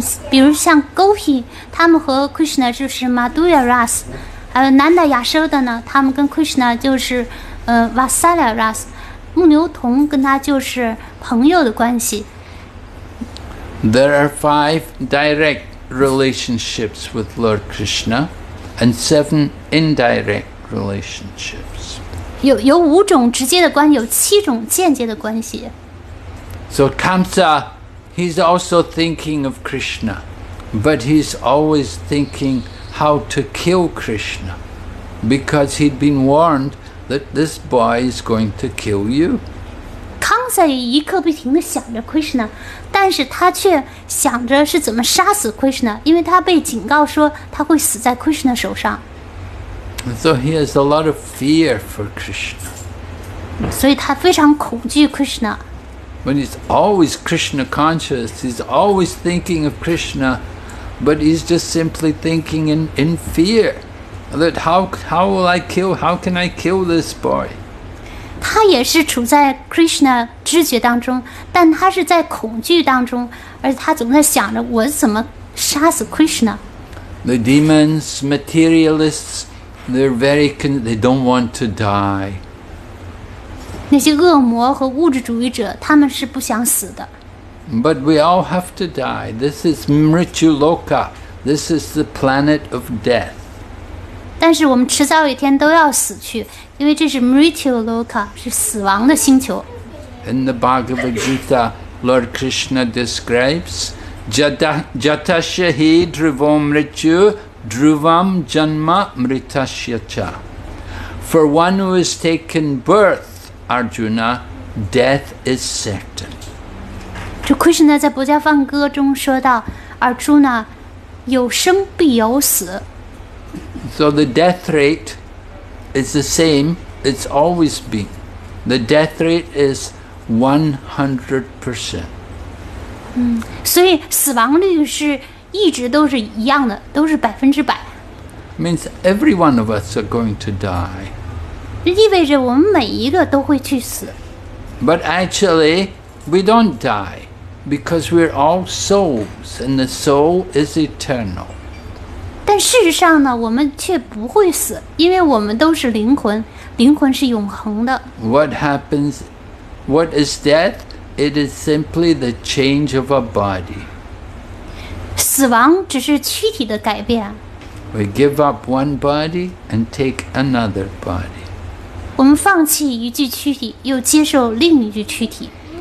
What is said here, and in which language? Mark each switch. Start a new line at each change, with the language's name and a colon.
Chinese: 比如像 gopi, 他们和 Krishna 就是 Madhurya rasa, 还有 Nanda Yashoda 呢，他们跟 Krishna 就是Vasala Ras, 牧牛童跟他就是朋友的关系。
English: There are 5 direct relationships with Lord Krishna and 7 indirect relationships.
Chinese: 有五种直接的关系，有七种间接的关系。
English: So Kamsa, he's also thinking of Krishna, but he's always thinking how to kill Krishna because he'd been warned. That this boy is going to kill you.
Chinese: Kamsa 也一刻不停地想着 Krishna， 但是他却想着是怎么杀死 Krishna， 因为他被警告说他会死在 Krishna 手上。
English: So he has a lot of fear for Krishna.
Chinese: 所以他非常恐惧 Krishna.
English: when he's always Krishna conscious, he's always thinking of Krishna, but he's just simply thinking in fear that how will I kill, how can I kill this boy?
Chinese: 他也是处在 Krishna 知觉当中，但他是在恐惧当中，而他总在想着我怎么杀死 Krishna。
English: The demons, materialists, they're very they don't want to die.
Chinese: 那些恶魔和物质主义者，他们是不想死的。
English: But we all have to die. This is Mrityuloka. This is the planet of death.
Chinese: 但是我们迟早一天都要死去，因为这是 Mrityuloka， 是死亡的星球。
English: In the Bhagavad Gita, Lord Krishna describes
Sanskrit: Jatashahi Dhruvam Mrityu Dhruvam Janma Mrityashyacha.
English: For one who has taken birth, Arjuna, death is certain.
Chinese: 这 Krishna 在《薄伽梵歌》中说到 ，Arjuna， 有生必有死。
English: So the death rate is the same, it's always been. The death rate is 100%.
Chinese: 所以死亡率是一直都是一样的，都是百分之百。
English: Means every one of us are going to die.
Chinese: 意味着我们每一个都会去死。
English: But actually, we don't die, because we're all souls, and the soul is eternal.
Chinese: 但事实上呢，我们却不会死，因为我们都是灵魂，灵魂是永恒的。
English: What happens? What is death? It is simply the change of a body.
Chinese: 死亡只是躯体的改变。
English: We give up one body and take another body.
Chinese: 我们放弃一具躯体，又接受另一具躯体。